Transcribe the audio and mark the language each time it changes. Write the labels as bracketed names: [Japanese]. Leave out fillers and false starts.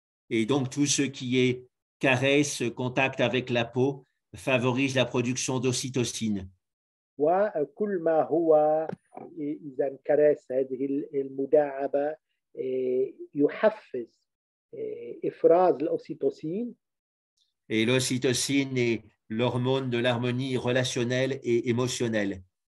[French] Et donc tout ce qui est caresse, contact avec la peau, favorise la production d'ocytocine. [Arabic] وكل ما هو إذا كراس هذه المداعبة يحفز إفراز الأوسيتوسين. [French] Et l'ocytocine est l'hormone de l'harmonie relationnelle et émotionnelle.